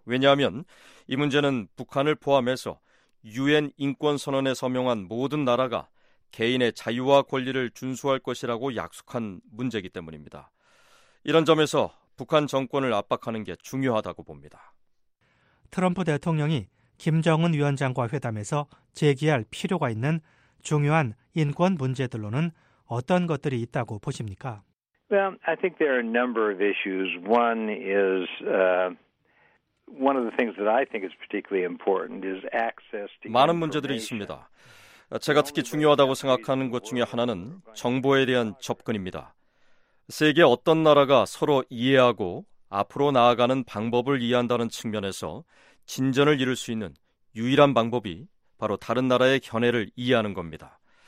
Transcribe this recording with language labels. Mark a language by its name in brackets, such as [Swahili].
[Korean] 왜냐하면 이 문제는 북한을 포함해서 유엔 인권선언에 서명한 모든 나라가 개인의 자유와 권리를 준수할 것이라고 약속한 문제이기 때문입니다. 이런 점에서 북한 정권을 압박하는 게 중요하다고 봅니다. 트럼프 대통령이 김정은 위원장과 회담에서 제기할 필요가 있는 중요한 인권 문제들로는 어떤 것들이 있다고 보십니까? [English] Well, I think there are a number of issues. One is one of the things that I think is particularly important is access to. [Korean] 많은 문제들이 있습니다. 제가 특히 중요하다고 생각하는 것 중에 하나는 정보에 대한 접근입니다. 세계 어떤 나라가 서로 이해하고 앞으로 나아가는 방법을 이해한다는 측면에서 진전을 이룰 수 있는 유일한 방법이 바로 다른 나라의 견해를 이해하는 겁니다.